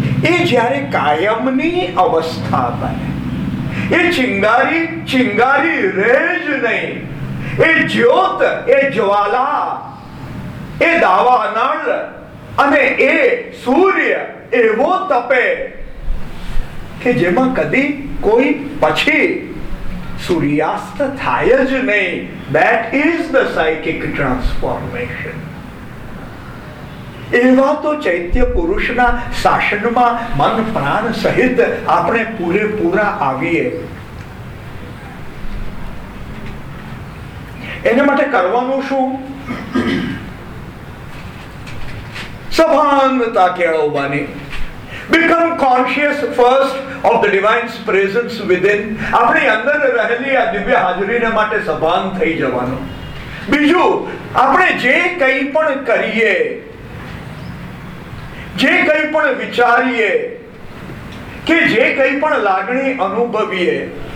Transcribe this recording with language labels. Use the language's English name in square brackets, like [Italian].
[Gujarati] એ જ્યારે કાયમની અવસ્થા બને, એ ચિંગારી ચિંગારી રહે જ નહીં, એ જ્યોત, એ જ્વાલા, એ દાવાનળ અને એ સૂર્ય એવો તપે કે જેમાં કદી કોઈ પછી સૂર્યાસ્ત થાય જ નહીં. [English] That is the psychic transformation. [Gujarati] એવા તો ચૈત્ય પુરુષના શાસનમાં મન પ્રાણ સહિત આપણે પૂરેપૂરા આવીએ. એને માટે કરવાનું શું? સભાનતા કેળવવાની. [English] Become conscious first of the divine's presence within. [Gujarati] આપણી અંદર રહેલી આ દિવ્ય હાજરીને માટે સભાન થઈ જવાનું. બીજું, આપણે જે કંઈ પણ કરીએ, જે કંઈ પણ વિચારીએ કે જે કંઈ પણ લાગણી અનુભવીએ,